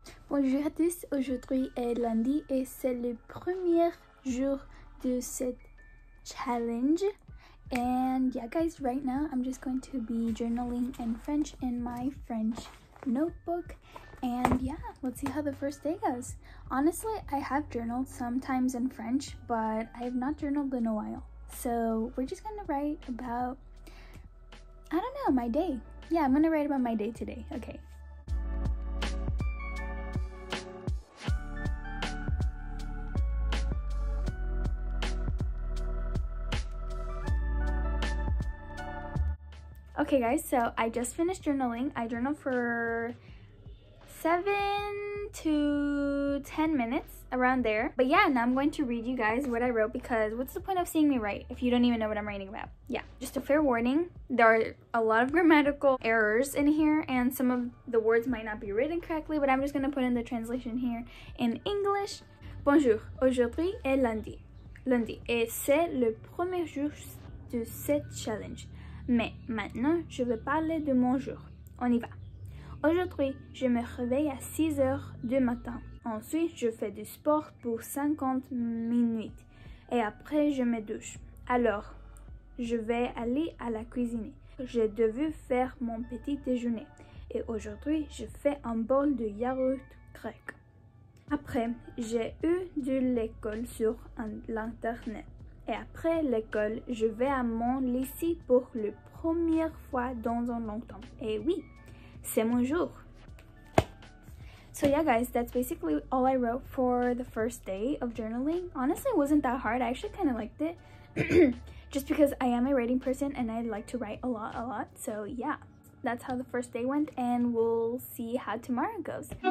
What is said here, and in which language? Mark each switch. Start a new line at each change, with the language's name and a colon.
French: Bonjour à tous, aujourd'hui est lundi et c'est le premier jour de cette challenge.
English: And yeah guys, right now I'm just going to be journaling in French in my French notebook, and yeah, let's see how the first day goes. Honestly, I have journaled sometimes in French, but I have not journaled in a while, so we're just gonna write about, I don't know, my day. Yeah, I'm gonna write about my day today. Okay. Okay guys, so I just finished journaling. I journaled for 7 to 10 minutes, around there. But yeah, now I'm going to read you guys what I wrote, because what's the point of seeing me write if you don't even know what I'm writing about? Yeah, just a fair warning, there are a lot of grammatical errors in here and some of the words might not be written correctly, but I'm just gonna put in the translation here in English.
French: Bonjour, aujourd'hui est lundi. Lundi, et c'est le premier jour de cette challenge. Mais maintenant, je vais parler de mon jour. On y va. Aujourd'hui, je me réveille à 6h du matin. Ensuite, je fais du sport pour 50 minutes. Et après, je me douche. Alors, je vais aller à la cuisine. J'ai dû faire mon petit déjeuner. Et aujourd'hui, je fais un bol de yaourt grec. Après, j'ai eu de l'école sur l'internet. Et après l'école, je vais à mon lycée pour la première fois dans un long temps. Et oui, c'est mon jour.
English: So yeah guys, that's basically all I wrote for the first day of journaling. Honestly, it wasn't that hard. I actually kind of liked it. Just because I am a writing person and I like to write a lot. So yeah, that's how the first day went, and we'll see how tomorrow goes.